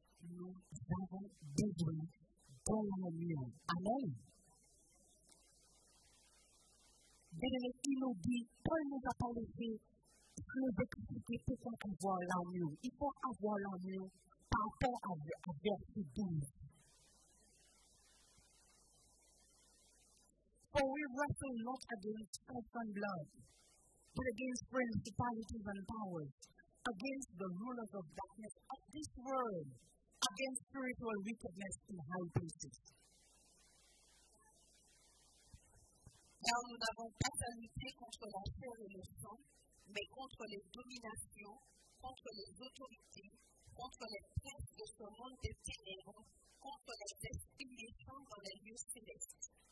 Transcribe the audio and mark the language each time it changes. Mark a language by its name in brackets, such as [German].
[French] Nous avons besoin de l'armure. Amen. Bien-aimé, il nous dit, Paul ne va pas laisser. Il faut expliquer pourquoi on peut voir l'armure. Il faut avoir l'armure par rapport à verset 12. [English] For we wrestle not against flesh and blood, but against principalities and powers, against the rulers of darkness of this world, against spiritual wickedness in high places. [French] Car nous n'avons pas à lutter contre la chair et le sang, mais contre les dominations, contre les autorités, contre les princes de ce monde des ténèbres, contre les esprits méchants dans les lieux célestes.